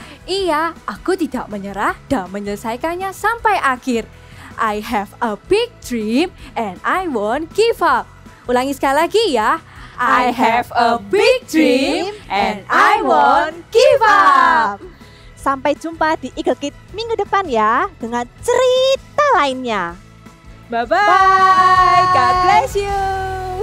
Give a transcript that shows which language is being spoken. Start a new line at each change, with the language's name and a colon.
Indonesian: Iya, aku tidak menyerah dan menyelesaikannya sampai akhir.
English: I have a big dream and I won't give up.
Indonesian: Ulangi sekali lagi ya.
English: I have a big dream and I won't give up.
Indonesian: Sampai jumpa di Eagle Kid minggu depan ya dengan cerita lainnya.
English: Bye-bye. Bye. God bless you.